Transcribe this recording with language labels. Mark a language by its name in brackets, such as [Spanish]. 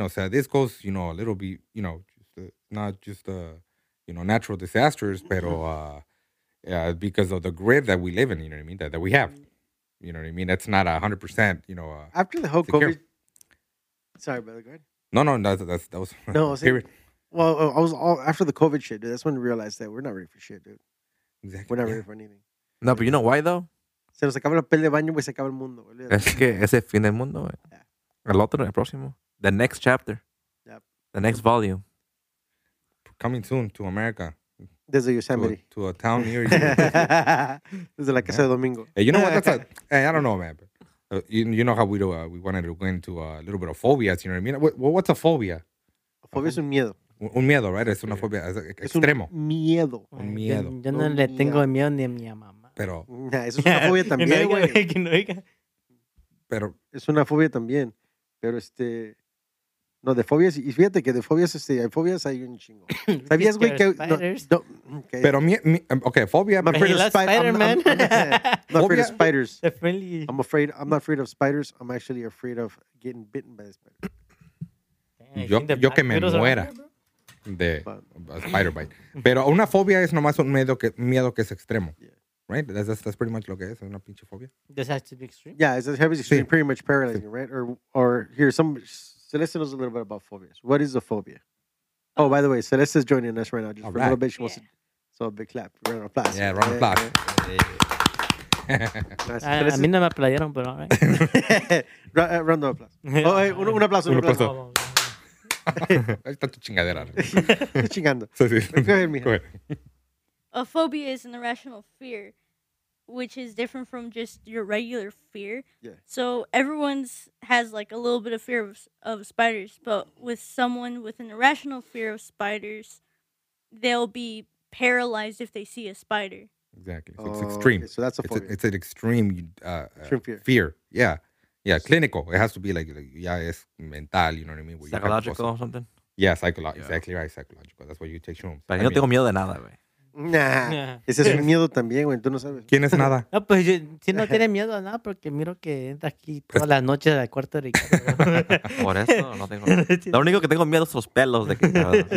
[English] O sea, this goes, you know, a little bit, you know, not just natural disasters, [Spanish] pero [English] because of the grid that we live in, you know what I mean? That we have, you know what I mean? That's not 100%, you know. After the whole COVID. Sorry, brother. Go ahead. No, that was. No, see, well, I was all after the COVID shit, dude. That's when we realized that we're not ready for shit, dude. Exactly. We're not ready for anything. No, but you know why, though? [Spanish] Se nos acaba el papel de baño, güey, se acaba el mundo. Es que ese fin del mundo, güey. El otro, el próximo. [English] The next chapter. Yep. The next volume. Coming soon to America. [Spanish] Desde Yosemite. [English] To a town near you. [Spanish] Desde la casa de Domingo. [English] Hey, you know what? That's I don't know, man. You know how we wanted to go into a little bit of phobias. You know what I mean? What's a phobia? A phobia [Spanish] es un miedo. Un miedo, [English] right? [Spanish] Es una fobia. Es extremo. Un miedo. Un miedo. Yo no le tengo miedo ni a mi mamá. Pero. Eso es una fobia también, güey. Que no diga. Pero. Es una fobia también. Pero no, de fobias, y fíjate que de fobias, hay fobias, hay un chingo. ¿Sabías, güey, que... No, okay. Pero fobia... [English] I'm afraid of spiders. I'm afraid of spiders. Definitely. I'm not afraid of spiders. I'm actually afraid of getting bitten by a spider. Damn. [Spanish] yo que me muera de [English] spider bite. [Spanish] Pero una fobia es nomás un miedo que es extremo. [English] Right? That's pretty much [Spanish] lo que es. Es una pinche fobia. [English] Does that have to be extreme? Yeah, it's as heavy as extreme. Sí. Pretty much paralyzing, sí. Right? Or here, Celeste knows a little bit about phobias. What is a phobia? Oh, by the way, Celeste is joining us right now. Just all for right. A little bit. She wants to. So a big clap. Round of applause. Yeah, round of applause. [Spanish] A mí no me aplaudieron, pero [English] all right. Round of applause. [Spanish] Oh, un aplauso. Un aplauso. Ahí está tu chingadera. Estoy chingando. [English] Go ahead, mija. A phobia is an irrational fear, which is different from just your regular fear. Yeah. So everyone's has like a little bit of fear of spiders, but with someone with an irrational fear of spiders, they'll be paralyzed if they see a spider. Exactly. So it's extreme. Okay. So that's a phobia. It's an extreme, fear. Yeah. Yeah. So, clinical. It has to be like yeah, it's mental. You know what I mean? Where psychological or something? Yeah. Psychological. Yeah. Exactly right. Psychological. That's why you take shrooms. [Spanish] Pero yo no tengo miedo de nada, güey. Nah. Ese es un miedo también, güey. Tú no sabes. ¿Quién es nada? No, pues yo, si no tiene miedo a nada, porque miro que entra aquí todas las noches al cuarto de Ricardo. Por eso no tengo miedo. Lo único que tengo miedo son los pelos de Ricardo.